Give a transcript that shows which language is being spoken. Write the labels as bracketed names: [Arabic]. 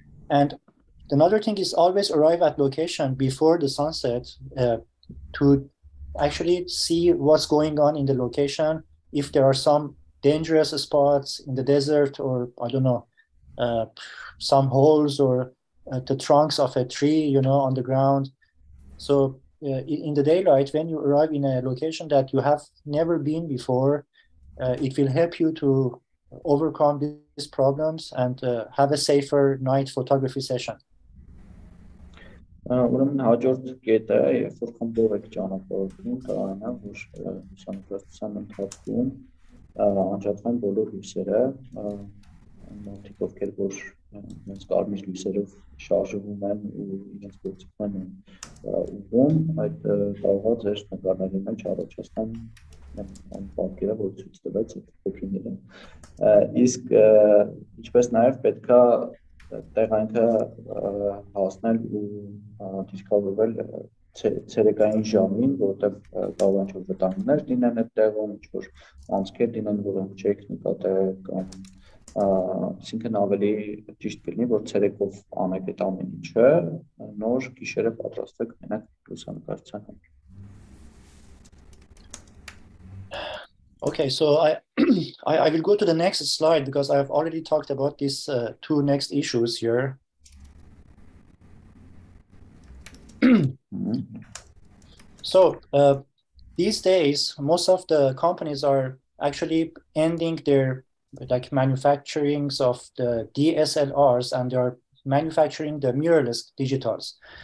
[English] And another thing is always arrive at location before the sunset to actually see what's going on in the location, if there are some dangerous spots in the desert or I don't know, some holes or the trunks of a tree, you know, on the ground. So in the daylight, when you arrive in a location that you have never been before, it will help you to overcome these problems and have a safer night photography session. [Armenian] Ուրեմն հաջորդ կետը, երբ որ խմբով եք ճանապարհորդում, կարանա, որ լուսանկարչության ընթացքում անջատվեն բոլոր լույսերը, մարդիկ, ովքեր որ մեծ կարմիր լույսերով շարժվում են ու իրենց գործիքներն են ուղում, այդ կարող է ձեր նկարների մեջ առաջացնել այն պատկերը, որ ցույց տվեց այդ փոքիները։ Իսկ ինչպես նաև պետք է տեղանքը հասնել ու դիսկավրվել ցերեկային ժամին, որտեղ կարող են ինչ-որ վտանգներ լինեն այդ տեղում, ինչ-որ անցքեր լինեն, որոնք չեք նկատել կամ այսինքն ավելի ճիշտ կլինի, որ ցերեկով անեք այդ ամեն ինչը, նոր գիշերը պատրաստեք մենակ լուսանկարչության համար։ [English] Okay, so I will go to the next slide because I have already talked about these two next issues here. So these days, most of the companies are actually ending their like manufacturings of the DSLRs and they are manufacturing the mirrorless digitals.